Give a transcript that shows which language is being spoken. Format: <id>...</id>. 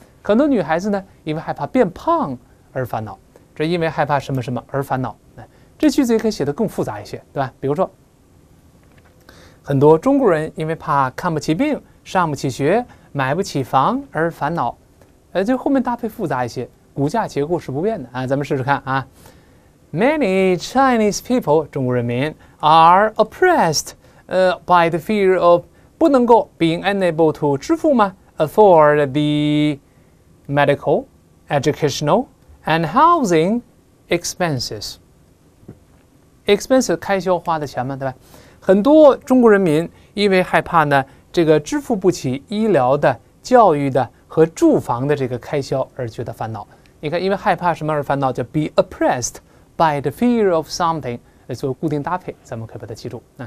<zh>很多女孩子呢因为害怕变胖而烦恼，这因为害怕什么什么而烦恼。这句子也可以写得更复杂一些，对吧？比如说很多中国人因为怕看不起病、上不起学、买不起房而烦恼，这后面搭配复杂一些，骨架结构是不变的。咱们试试看啊。</zh> <en>Many Chinese people</en> <zh>中国人民</zh> <en>are oppressed by the fear of</en> <zh>不能够</zh> <en>being unable to</en> <zh>支付吗</zh> <en>afford theMedical, educational, and housing expenses.</en> <zh>Expenses 开销花的钱嘛，对吧？很多中国人民因为害怕呢，这个支付不起医疗的教育的和住房的这个开销而觉得烦恼。你看，因为害怕什么而烦恼，叫</zh> <en>be oppressed by the fear of something，</en> <zh>做固定搭配，咱们可以把它记住。</zh>